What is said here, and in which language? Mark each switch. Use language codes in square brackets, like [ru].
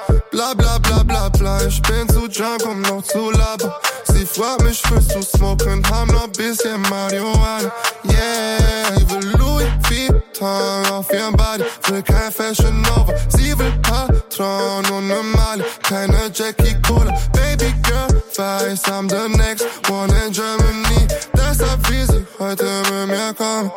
[de] Bla bla bla bla bla, ich bin zu drunk, um noch zu labern. Sie fragt mich, willst du smoken, hab noch bisschen Marihuana. Yeah, sie will Louis Vuitton auf ihrem Body, will kein Fashion Nova. Sie will Patron und ne Mali, keine Jackie Cola. [en] Baby girl, weiß, I'm the next one in Germany. [de] Deshalb will sie heute mit mir kommen.